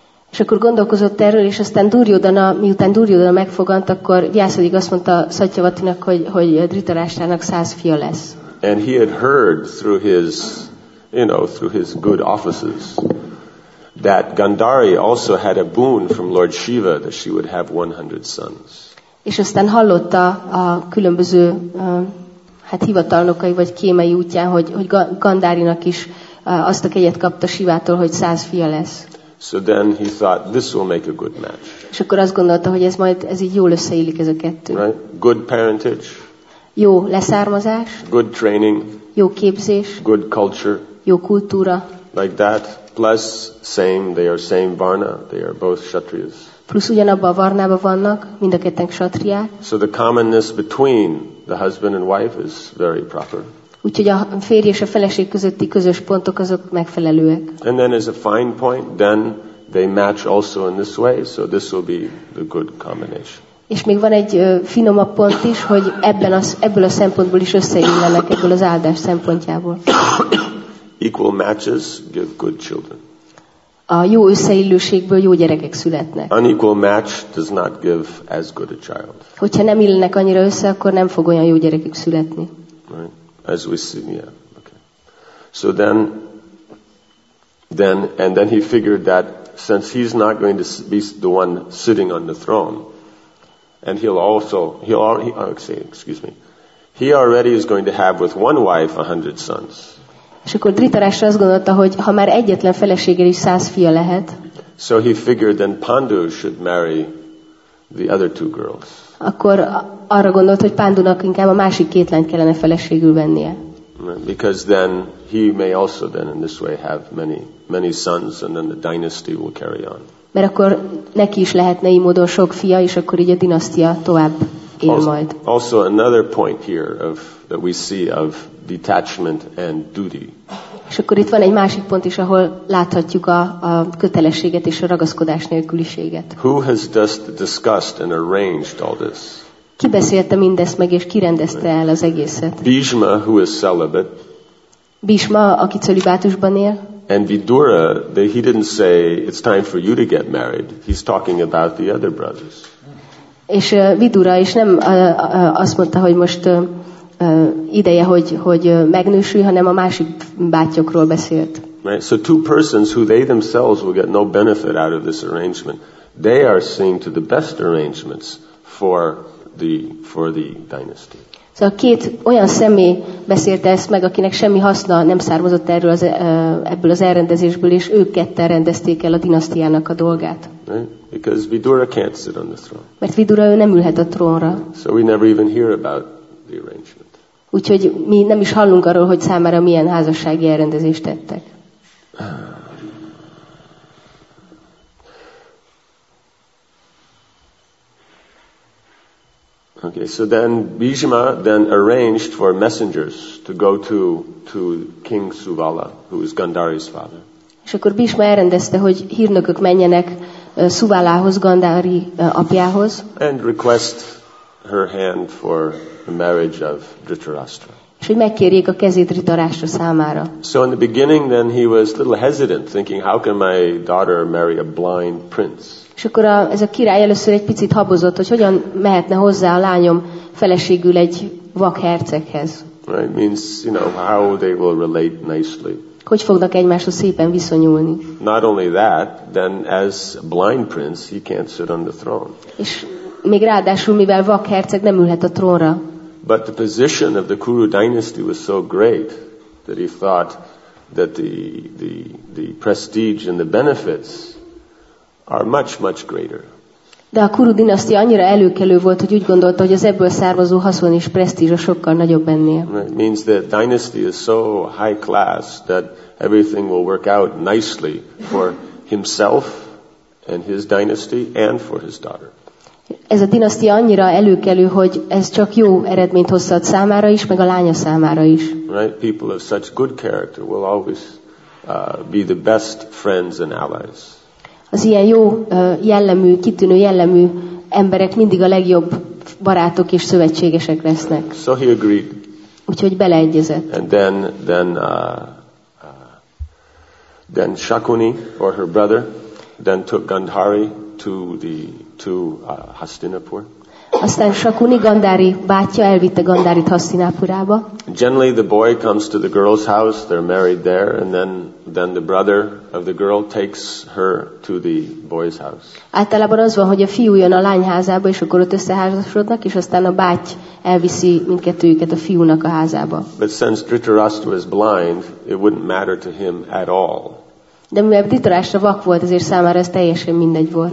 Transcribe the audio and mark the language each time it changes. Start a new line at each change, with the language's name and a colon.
Hungarian: És akkor gondolkozott erről, és aztán Duryodhana, miután Duryodhana megfogant, akkor Vyasadev azt mondta Satyavatinak, hogy Dhritarashtrának 100 fia lesz.
English: And he had heard through his through his good offices, that Gandhari also had a boon from Lord Shiva that she would have 100 sons.
Hungarian: És aztán hallotta a különböző hivatalnokai vagy kémei útján, hogy Gandharinak is azt a kegyet kapta Shivától, hogy 100 fia lesz.
English: So then he thought, this will make a good match.
Hungarian: És akkor azt gondolta, hogy ez így jól összeillik ez a kettő.
English: Right? Good parentage.
Hungarian: Jó leszármazás.
English: Good training.
Hungarian: Jó képzés.
English: Good culture.
Hungarian: Jó kultúra.
English: Like that, plus same, they are same varna, they are both kshatriyas.
Hungarian: Plusz ugyanabban a varnában vannak, mind a ketten kshatriyák.
English: So the commonness between the husband and wife is very proper.
Hungarian: Úgyhogy a férj és a feleség közötti közös pontok azok megfelelőek.
English: And then is a fine point, then they match also in this way, so this will be the good combination.
Hungarian: És még van egy finomabb pont is, hogy ebből a szempontból is összeillenek, ebből az áldás szempontjából.
English: Equal matches give good children.
Hungarian: A jó összeillőségből jó gyerekek születnek.
English: Unequal match does not give as good a child.
Hungarian: Hogyha nem illenek annyira össze, akkor nem fog olyan jó gyerekük születni.
English: Right. As we see, yeah. Okay. So then he figured that since he's not going to be the one sitting on the throne, and he already is going to have with one wife 100 sons.
Hungarian: És akkor Dhritarashtra azt gondolta, hogy ha már egyetlen feleséggel is 100 fia lehet.
English: So he figured then Pandu should marry the other two girls.
Hungarian: Akkor arra gondolt, hogy Pandunak inkább a másik két lányt kellene feleségül vennie.
English: Because then he may also then in this way have many, many sons, and then the dynasty will carry on.
Hungarian: Mert akkor neki is lehetne így módon sok fia, és akkor így a dinasztia tovább él majd.
English: Also another point here that we see of detachment and duty.
Hungarian: És akkor itt van egy másik pont is, ahol láthatjuk a kötelességet és a ragaszkodás nélküliséget.
English: Who has just discussed and arranged all this?
Hungarian: Ki beszélte mindezt meg és kirendezte el az egészet?
English: Bhishma, who is celibate.
Hungarian: Bhishma, aki cölibátusban él.
English: And Vidura, he didn't say it's time for you to get married. He's talking about the other brothers.
Hungarian: És Vidura is nem azt mondta, hogy most ideje, hogy megnősülj, hanem a másik bátyokról beszélt.
English: Right. So two persons who they themselves will get no benefit out of this arrangement, they are seeing to the best arrangements for the dynasty.
Hungarian: So két olyan személy beszélte ezt meg, akinek semmi haszna nem származott ebből az elrendezésből, és ők ketten rendezték el a dinasztiának a dolgát.
English: Right. Because Vidura can't sit on the throne.
Hungarian: Mert Vidura ő nem ülhet a trónra.
English: So we never even hear about the arrangement.
Hungarian: Úgyhogy mi nem is hallunk arról, hogy számára milyen házassági elrendezést tettek.
English: Okay, so then Bhishma then arranged for messengers to go to King Suvala, who is Gandhari's father.
Hungarian: És akkor Bhishma elrendezte, hogy hírnökök menjenek Suvalához, Gandhari apjához.
English: And request her hand for the marriage of Dhritarashtra.
Hungarian: És hogy megkérjék a kezét Dhritarashtra számára.
English: So in the beginning then he was a little hesitant, thinking how can my daughter marry a blind prince.
Hungarian: És akkor ez a király először egy picit habozott, hogy hogyan mehetne hozzá a lányom feleségül egy vak herceghez.
English: Right? Means, you know, how they will relate nicely.
Hungarian: Hogy fognak egymáshoz szépen viszonyulni.
English: Not only that, then as blind prince, he can't sit on the throne.
Hungarian: És még ráadásul, mivel vak herceg, nem ülhet a trónra.
English: But the position of the Kuru dynasty was so great that he thought that the prestige and the benefits are much, much greater.
Hungarian: De a Kuru dinasztia annyira előkelő volt, hogy úgy gondolta, hogy az ebből származó haszon és presztízs a sokkal nagyobb ennél.
English: It means that dynasty is so high class that everything will work out nicely for himself and his dynasty and for his daughter.
Hungarian: Ez a dinasztia annyira előkelő, hogy ez csak jó eredményt hozhat számára is, meg a lánya számára is.
English: Right? People of such good character will always be the best friends and allies.
Hungarian: Az ilyen jó jellemű, kitűnő jellemű emberek mindig a legjobb barátok és szövetségesek lesznek.
English: So he agreed.
Hungarian: Úgyhogy beleegyezett.
English: And then Shakuni or her brother then took Gandhari to Hastinapur.
Hungarian: Aztán Shakuni Gandhari bátyja elvitte Gandharit Hastinapurába.
English: Generally the boy comes to the girl's house, they're married there, and then the brother of the girl takes her to the boy's house.
Hungarian: Általában az van, hogy a fiú jön a lány házába, és akkor ott összeházasodnak, és aztán a báty elviszi mindkettőjüket a fiúnak a házába.
English: But since Dhritarashtra was blind, it wouldn't matter to him at all.
Hungarian: De mivel Dhritarashtra vak volt, ezért számára ez teljesen mindegy volt.